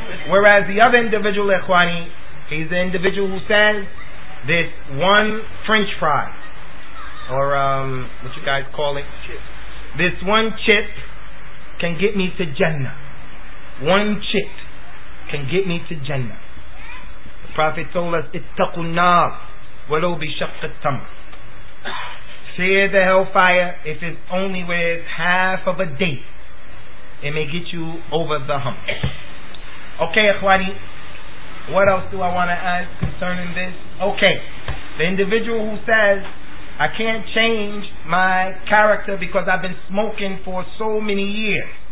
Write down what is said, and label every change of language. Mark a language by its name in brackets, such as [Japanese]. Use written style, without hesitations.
[English] Whereas the other individual, ikhwani, he's the individual who says, this one french fry, or what you guys call it, this one chip can get me to Jannah. One chip can get me to Jannah. Prophet told us, [Arabic] اتقوا النار ولو بشق التمر. [English] Fear the hellfire if it's only with half of a day. It may get you over the hump. Okay, ikhwani, what else do I want to ask concerning this? Okay, the individual who says, I can't change my character because I've been smoking for so many years.